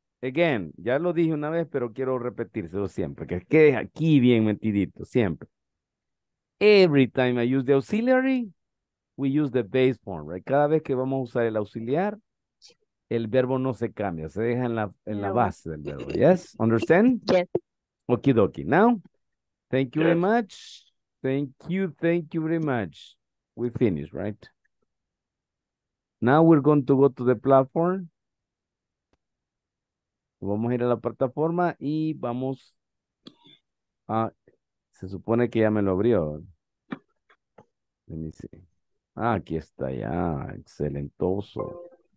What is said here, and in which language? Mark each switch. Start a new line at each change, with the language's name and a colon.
English: Again,
Spanish: ya lo dije una vez, pero quiero repetírselo siempre. Que quede aquí bien metidito, siempre.
English: Every time I use the auxiliary, we use the base form, right?
Spanish: Cada vez que vamos a usar el auxiliar, el verbo no se cambia, se deja en la base del verbo.
English: Yes? Understand? Yes. Okie dokie. Now, thank you very much. Thank you very much. We finished, right? Now we're going to go to the platform.
Spanish: Vamos a ir a la plataforma y vamos a... Se supone que ya me lo abrió.
English: Let me see.
Spanish: Ah, aquí está ya. Excelentoso.